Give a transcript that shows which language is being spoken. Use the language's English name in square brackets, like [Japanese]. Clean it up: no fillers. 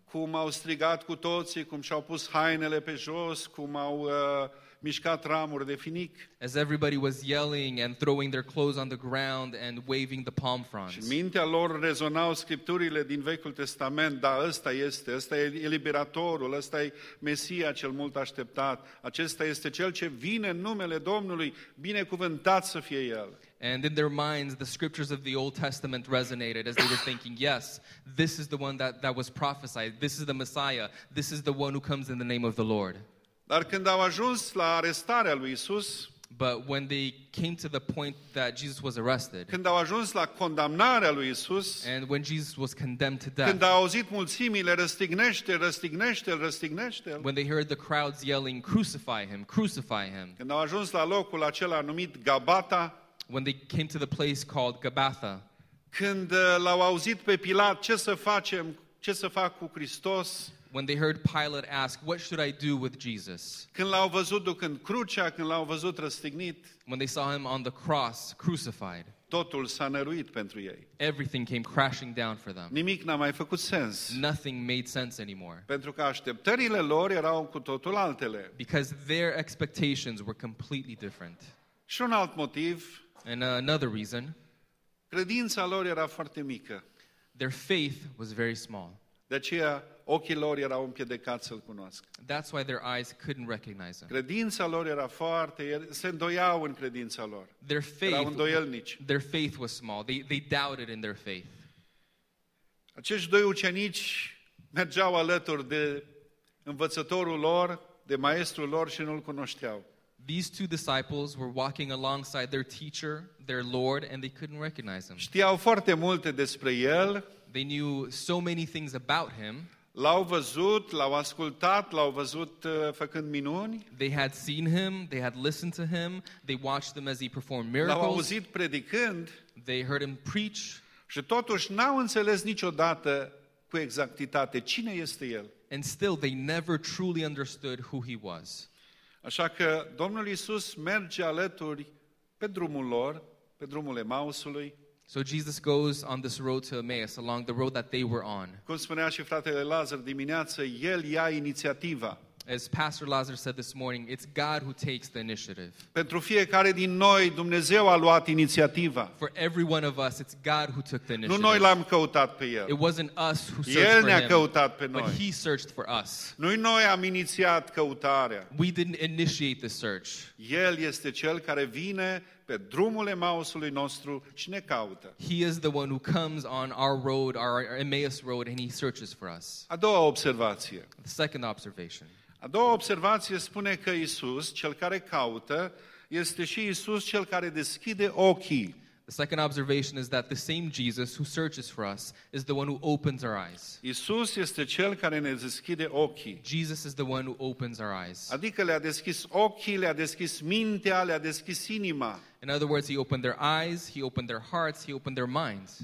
[Romanian] Cum au strigat cu toții, cum și-au pus hainele pe jos, cum au mișcat ramuri de finic. [English] As everybody was yelling and throwing their clothes on the ground and waving the palm fronds. [Romanian] Și mintea lor rezonau scripturile din Vechiul Testament, da, ăsta este, ăsta e eliberatorul, ăsta e Mesia cel mult așteptat, acesta este cel ce vine în numele Domnului, binecuvântat să fie El. [English] And in their minds, the scriptures of the Old Testament resonated as they were thinking, yes, this is the one that was prophesied. This is the Messiah. This is the one who comes in the name of the Lord. [Romanian] Dar când au ajuns la arestarea lui Isus, [English] but when they came to the point that Jesus was arrested, [Romanian] când au ajuns la condamnarea lui Isus, [English] and when Jesus was condemned to death, [Romanian] când au auzit mulțimile, răstignește, răstignește, răstignește, [English] when they heard the crowds yelling, crucify him, crucify him, [Romanian] când au ajuns la locul acela numit Gabata, [English] when they came to the place called Gabatha, [Romanian] când l-au auzit pe Pilat, ce să facem, ce să fac cu Hristos, [English] when they heard Pilate ask, what should I do with Jesus? [Romanian] Când l-au văzut ducând crucea, când l-au văzut răstignit, [English] when they saw him on the cross, crucified, [Romanian] totul s-a năruit pentru ei. [English] Everything came crashing down for them. [Romanian] Nimic n-a mai făcut sens. [English] Nothing made sense anymore. [Romanian] Pentru că așteptările lor erau cu totul altele. [English] Because their expectations were completely different. [Romanian] Și un alt motiv, [English] and another reason, [Romanian] credința lor era foarte mică. [English] Their faith was very small. [Romanian] De aceea, ochii lor erau împiedicați să-l cunoască. [English] That's why their eyes couldn't recognize him. [Romanian] Credința lor era foarte, se îndoiau în credința lor. [English] Their faith, [Romanian] erau îndoielnici. [English] Their faith was small. They doubted in their faith. [Romanian] Acești doi ucenici mergeau alături de învățătorul lor, de maestrul lor și nu-l cunoșteau. [English] These two disciples were walking alongside their teacher, their Lord, and they couldn't recognize him. [Romanian] Știau foarte multe despre el. [English] They knew so many things about him. [Romanian] L-au văzut, l-au ascultat, l-au văzut făcând minuni. [English] They had seen him, they had listened to him, they watched him as he performed miracles. [Romanian] L-au auzit predicând. [English] They heard him preach. [Romanian] Și totuși n-au înțeles niciodată cu exactitate cine este el. [English] And still they never truly understood who he was. [Romanian] Așa că Domnul Iisus merge alături pe drumul lor, pe drumul Emausului. [English] So Jesus goes on this road to Emmaus, along the road that they were on. [Romanian] Cum spunea și fratele Lazar dimineață, el ia inițiativa. [English] As Pastor Lazar said this morning, it's God who takes the initiative. [Romanian] Pentru fiecare din noi, Dumnezeu a luat inițiativa. [English] For every one of us, it's God who took the initiative. [Romanian] Nu noi l-am căutat pe el. [English] It wasn't us who searched [Romanian] el [English] for him. [Romanian] El ne-a căutat pe noi. [English] But he searched for us. [Romanian] Nu noi am inițiat căutarea. [English] We didn't initiate the search. [Romanian] El este cel care vine pe drumul Emausului nostru și ne caută. [English] He is the one who comes on our road, our Emmaus road, and he searches for us. [Romanian] A doua observație. [English] The second observation. [Romanian] A doua observație spune că Iisus, cel care caută, este și Iisus cel care deschide ochii. [English] The second observation is that the same Jesus who searches for us is the one who opens our eyes. [Romanian] Iisus este cel care ne deschide ochii. [English] Jesus is the one who opens our eyes. [Romanian] Adică le-a deschis ochii, le-a deschis mintea, le-a deschis inima. [English] In other words, he opened their eyes, he opened their hearts, he opened their minds.